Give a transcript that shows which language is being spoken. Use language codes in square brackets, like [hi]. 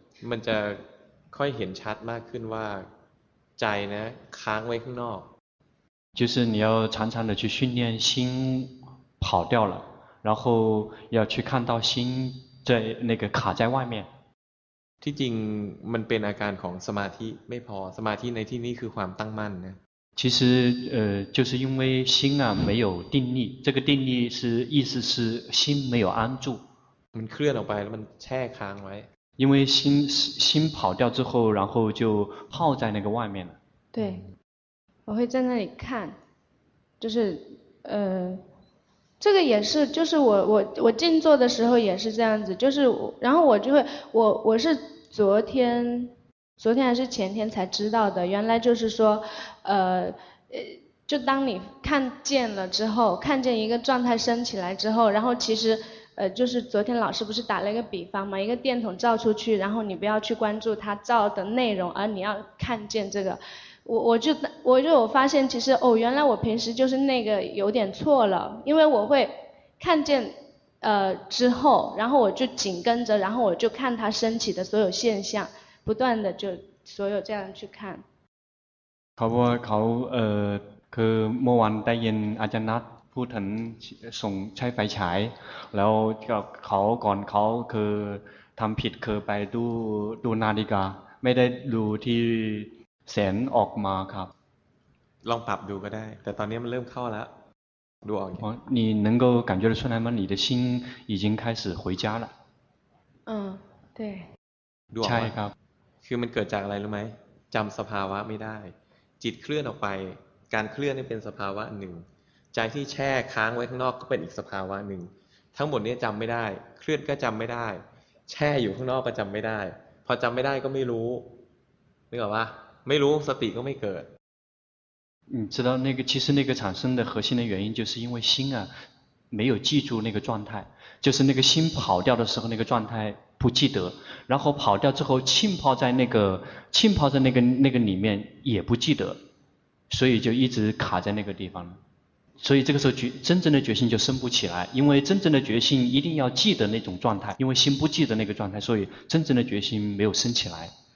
[th] มันจะค่อยเห็นชัดมากขึ้นว่าใจนะค้างไว้ข้างนอก [zh] 就是你要常常的去训练心跑掉了然后要去看到心在那个卡在外面 [th] ที่จริงมันเป็นอาการของสมาธิไม่พอสมาธิในที่นี้คือความตั้งมั่นนะ [zh] 其实就是因为心啊没有定力这个定力是意思是心没有安住 [th] มันเคลื่อนออกไปแล้วมันแช่ค้างไว้ [zh] 因为心跑掉之后然后就耗在那个外面了对我会在那里看就是这个也是就是我静坐的时候也是这样子就是然后我就会我是昨天还是前天才知道的原来就是说就当你看见了之后看见一个状态升起来之后然后其实就是昨天老师不是打了一个比方吗？一个电筒照出去，然后你不要去关注它照的内容，而你要看见这个。我发现，其实哦，原来我平时就是那个有点错了，因为我会看见之后，然后我就紧跟着，然后我就看它升起的所有现象，不断的就所有这样去看。 [th] เขาเคือเมื่อวันได้ยินอาจารย์นัทพูดถึงส่งใช้ไฟฉายแล้วก็เขาก่อนเขาคือทำผิดคือไปดูนาฬิกาไม่ได้ดูที่แสงออกมาครับ ลองปรับดูก็ได้แต่ตอนนี้มันเริ่มเข้าแล้วดูออก [zh] อ๋อ你能够感觉得出来吗你的心已经开始回家了嗯对 [th] ดูออก ใช่ครับ คือมันเกิดจากอะไรรู้ไหมจำสภาวะไม่ได้จิตเคลื่อนออกไปการเคลื่อนนี่เป็นสภาวะหนึ่งใจที่แช่ค้างไว้ข้างนอกก็เป็นอีกสภาวะหนึ่งทั้งหมดนี้จำไม่ได้เคลื่อนก็จำไม่ได้แช่อยู่ข้างนอกก็จำไม่ได้พอจำไม่ได้ก็ไม่รู้นึกออกปะไม่รู้สติก็ไม่เกิด [zh] 你知道那个其实那个产生的核心的原因就是因为心啊没有记住那个状态就是那个心跑掉的时候那个状态不记得然后跑掉之后浸泡在那个里面也不记得所以就一直卡在那个地方所以这个时候真正的决心就升不起来因为真正的决心一定要记得那种状态因为心不记得那个状态所以真正的决心没有升起来